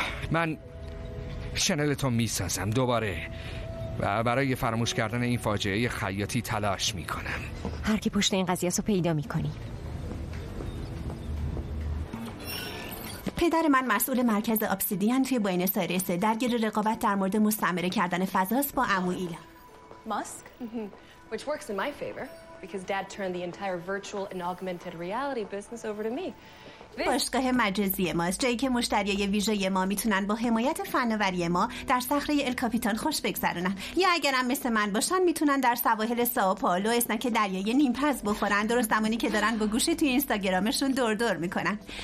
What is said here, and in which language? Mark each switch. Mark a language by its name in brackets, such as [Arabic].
[Persian] من شنلتو میسازم دوباره و برای فراموش کردن این فاجعه خیاطی تلاش میکنم. هر کی پشت این قضیه سو پیدا میکنی. پدر من مسئول مرکز ابسیدیان توی بوئنوس آیرس، درگیر رقابت در مورد مستعمره کردن فضاست با عمو ایلا. [English] Musk? Which works in my favor because dad turned the entire virtual and augmented reality business over to me. [Persian] باشگاه مجازی ماست، جایی که مشتریای ویژه ما میتونن با حمایت فناوری ما در صخره ال کاپیتان خوش بگذرونن، یا اگرم مثل من باشن میتونن در سواحل ساو پائولو اسنک دریای نیمپز بخورن، درست زمانی که دارن با گوشی توی اینستاگرامشون دور دور میکنن.